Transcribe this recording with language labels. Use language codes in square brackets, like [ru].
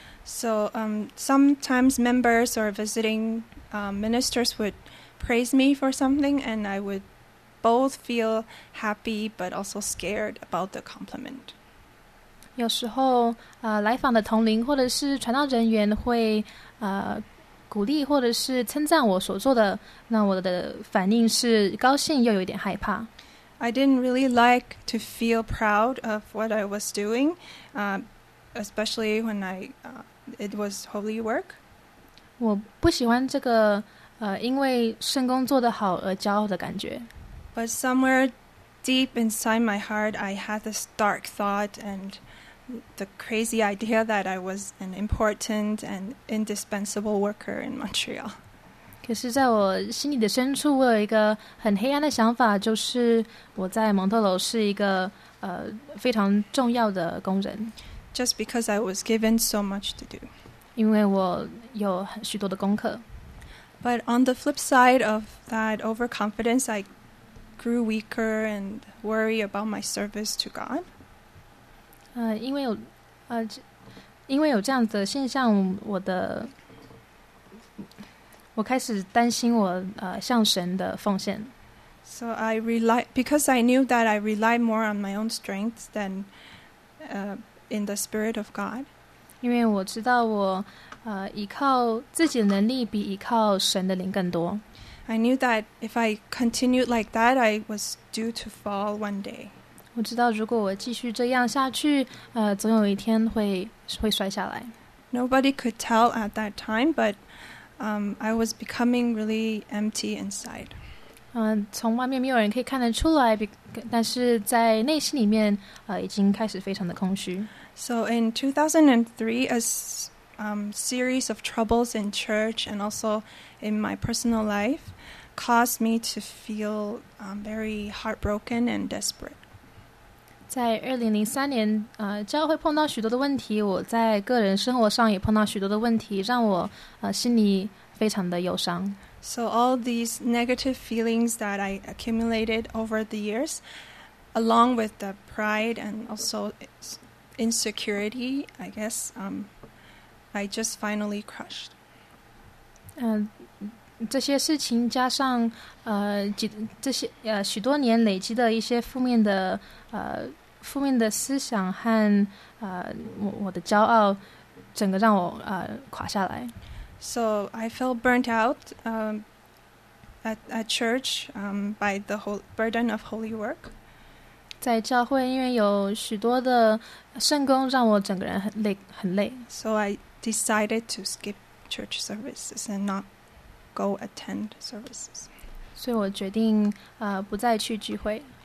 [en] So sometimes members or visiting ministers would praise me for something, and I would both feel happy but also scared about the compliment. [zh] 有时候来访的同龄或者是传道人员会鼓励或者是称赞我所做的，那我的反应是高兴又有点害怕。 [en] I didn't really like to feel proud of what I was doing, especially when it was holy work. [zh] 我不喜欢这个因为圣工做得好而骄傲的感觉。 [en] But somewhere deep inside my heart, I had this dark thought and the crazy idea that I was an important and indispensable worker in Montreal. [zh] 可是在我心里的深处，我有一个很黑暗的想法，就是我在蒙特楼是一个非常重要的工人。 [en] Just because I was given so much to do. [zh] 因为我有许多的功课。 [en] But on the flip side of that overconfidence, I grew weaker and worried about my service to God. [zh] 因为有这样的现象，我开始担心我向神的奉献。 [en] So I rely, because I knew that I relied more on my own strength than in the Spirit of God. [zh] 因为我知道我依靠自己的能力比依靠神的灵更多。 [en] I knew that if I continued like that, I was due to fall one day. [zh] 我知道如果我继续这样下去，总有一天会摔下来。 [en] Nobody could tell at that time, but I was becoming really empty inside. [zh] 从外面没有人可以看得出来，但是在内心里面，已经开始非常的空虚。 [en] So in 2003, series of troubles in church and also in my personal life caused me to feel very heartbroken and desperate. [zh] 在2003年，教会碰到许多的问题，我在个人生活上也碰到许多的问题，让我心里非常的忧伤。 [en] So all these negative feelings that I accumulated over the years, along with the pride and also insecurity, I guess, I just finally crushed. [zh] 这些事情加上这些许多年累积的一些负面的思想和我的骄傲，整个让我垮下来。 [en] So I felt burnt out at church by the whole burden of holy work. [zh] 在教会，因为有许多的圣工，让我整个人很累，很累。 [en] So I decided to skip church services and not go attend services. [zh] 所以我决定不再去聚会。